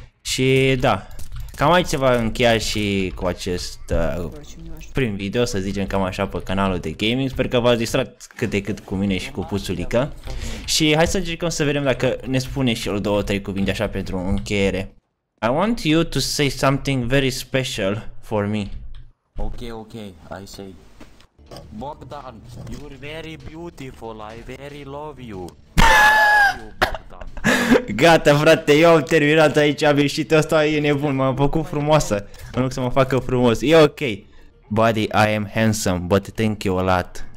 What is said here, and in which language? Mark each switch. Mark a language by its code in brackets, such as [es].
[ro] Și da, cam aici se va încheia și cu acest prim video, să zicem cam așa, pe canalul de gaming. Sper că v-ați distrat cât de cât cu mine și cu Puțulica. Și hai să încercăm să vedem dacă ne spune și el două, trei cuvinte așa pentru încheiere. [en] I want you to say something very special for me. Okay, okay, I say. Bogdan, you're very beautiful, I very love you. [ro] Gata, frate, eu am terminat aici, am ieșit, ăsta e nebun, m-am făcut frumoasă. În loc să mă facă frumos, e ok. [en] Buddy, I am handsome, but thank you a lot.